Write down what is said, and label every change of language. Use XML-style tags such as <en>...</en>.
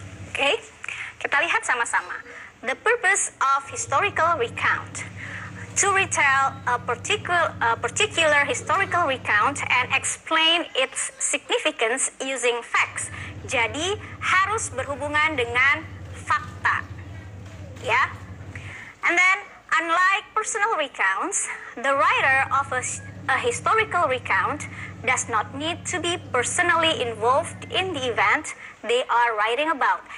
<en>Okay.</en> <id>Kita lihat sama-sama.</id> <en>The purpose of historical recount: to retell a particular historical recount and explain its significance using facts.</en> <id>Jadi harus berhubungan dengan fakta. Ya.</id> <en>And then unlike personal recounts, the writer of a historical recount does not need to be personally involved in the event they are writing about.</en>